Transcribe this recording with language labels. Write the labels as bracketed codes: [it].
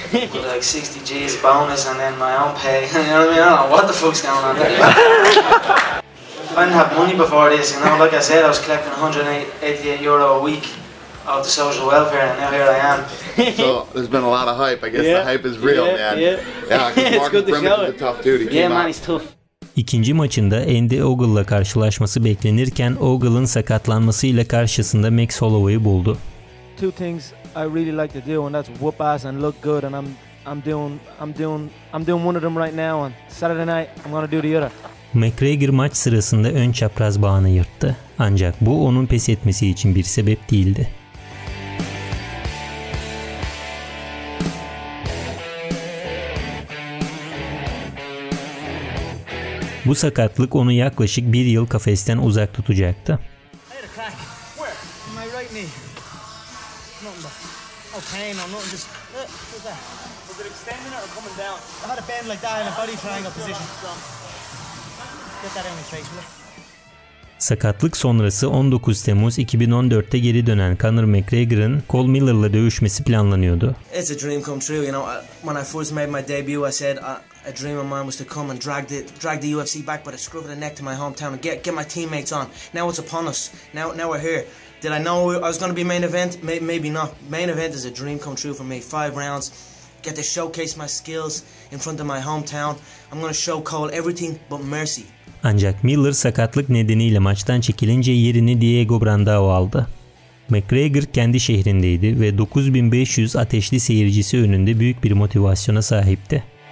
[en] Like 60 G's bonus and then my own pay. You know what I mean? I don't know what the fuck's going on there. I didn't have money before this, you know? Like I said, I was collecting 188 euro a week out of the social welfare, and now here I am. So there's been a lot of hype. I guess the hype is real, man. Yeah, Mark Brimage is a tough dude. Yeah, man, he's tough. [tr] İkinci maçında Andy Ogle'la karşılaşması beklenirken Ogle'ın sakatlanmasıyla karşısında Max Holloway'ı buldu. [en] Two things I really like to do and that's whoop ass and look good and I'm doing one of them right now and Saturday night I'm gonna do the other. [tr] McGregor maç sırasında ön çapraz bağını yırttı. Ancak bu onun pes etmesi için bir sebep değildi. Bu sakatlık onu yaklaşık bir yıl kafesten uzak tutacaktı. Sakatlık sonrası 19 Temmuz 2014'te geri dönen Conor McGregor'ın Cole Miller'la dövüşmesi planlanıyordu. [en] It's a dream come true, you know. When I first made my debut, I said a dream of mine was to come and drag the UFC back, but I screwed the neck to my hometown and get my teammates on. Now it's upon us. Now we're here. Did I know I was going to be main event? Maybe not. Main event is a dream come true for me. 5 rounds. Get to showcase my skills in front of my hometown. I'm going to show Cole everything but mercy. [tr] Ancak Miller sakatlık nedeniyle maçtan çekilince yerini Diego Brandao aldı. McGregor kendi şehrindeydi ve 9500 ateşli seyircisi önünde büyük bir motivasyona sahipti.